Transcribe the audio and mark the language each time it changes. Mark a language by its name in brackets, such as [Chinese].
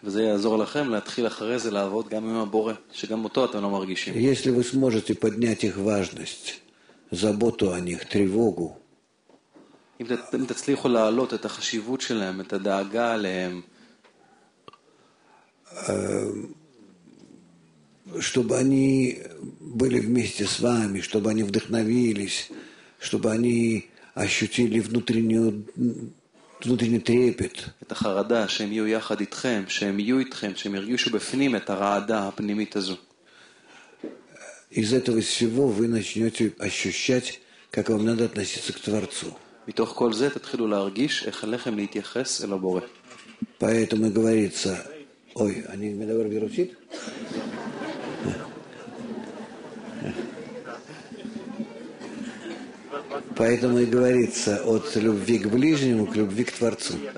[Russian] Если вы сможете поднять их важность, заботу о них, тревогу, чтобы они были вместе с вами, чтобы они вдохновились, чтобы они ощутили внутренний трепет. Это харада, [Hebrew] שהם יהיו יחד איתכם, שהם יהיו איתכם, שהם ירגישו בפנים את הרעדה הפנימית הזו. [Russian] Из этого всего вы начнете ощущать, как вам надо относиться к Творцу. [Hebrew] מתוך כל זה תתחילו להרגיש איך עליכם להתייחס אל הבורא. [Russian] Поэтому говорится, ой, они меня говорят, беручит? Поэтому и говорится от любви к ближнему к любви к Творцу.